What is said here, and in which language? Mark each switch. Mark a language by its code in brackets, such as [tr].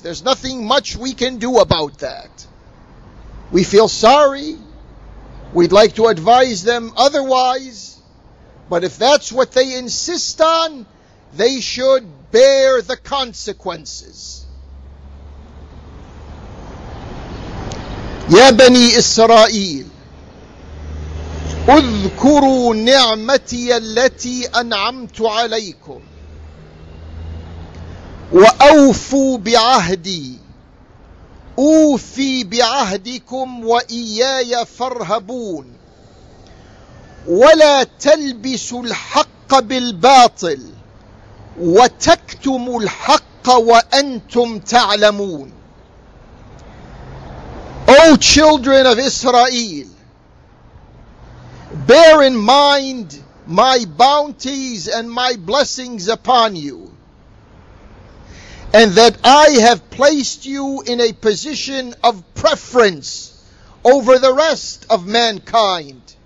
[en] There's nothing much we can do about that. We feel sorry. We'd like to advise them otherwise. But if that's what they insist on, they should bear the consequences. [ar] Ya Bani Israel, اذكروا نعمتي التي أنعمت عليكم وأوفوا بعهدي أوفي بعهدكم وإياي فارهبون ولا تلبسوا الحق بالباطل وتكتموا الحق وأنتم تعلمون. [en] O children of Israel, bear in mind my bounties and my blessings upon you, and that I have placed you in a position of preference over the rest of mankind.